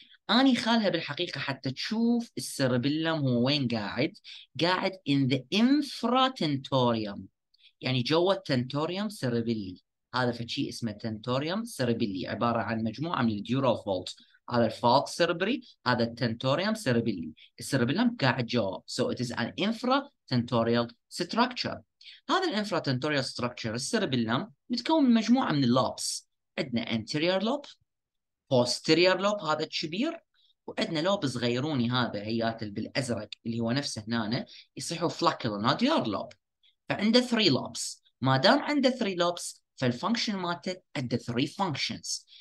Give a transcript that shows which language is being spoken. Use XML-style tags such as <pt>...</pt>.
<ar>انا خالها بالحقيقه حتى تشوف السيربيلم هو وين قاعد. قاعد</ar> <en>in the infratentorium،</en> <ar>يعني جوه التنتوريوم سيربيلي. هذا فشي اسمه تنتوريوم سيربيلي، عباره عن مجموعه من الديورال فولت، هذا الفالك سيربري، هذا التنتوريوم سيربيلي، السيربيلم قاعد جوه.</ar> <en>So it is an infratentorial structure.</en> <ar>هذا الانفراتنتوريال ستراكشر السيربيلم متكون من مجموعه من اللوبس، عندنا انتيرير لوب، بوستيرير لوب هذا الكبير، وعندنا لوب صغيروني هذا هيات بالازرق اللي هو نفسه هنا يصيحوا فلاكيولو نوديار لوب. فعنده 3 لوبس، ما دام عنده 3 لوبس فالفانكشن مالته عنده 3 فانكشنز.</ar>